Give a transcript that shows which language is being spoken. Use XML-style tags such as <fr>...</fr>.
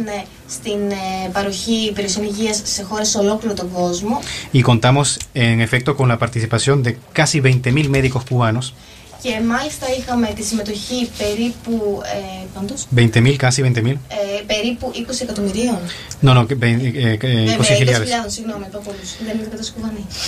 <el>Ναι, στην παροχή υπηρεσιών υγείας σε χώρες σε ολόκληρο τον κόσμο.</el> <es>Y contamos en efecto con la participación de casi 20.000 médicos cubanos.</es> <el>Και μάλιστα είχαμε τη συμμετοχή περίπου. Πάντως. 20.000, κάσι 20.000. Περίπου 20 εκατομμυρίων. Ναι, ναι, 20.000. 20.000, συγγνώμη, είπα πολλούς. Δεν είμαι κατά σκουβανή.</el>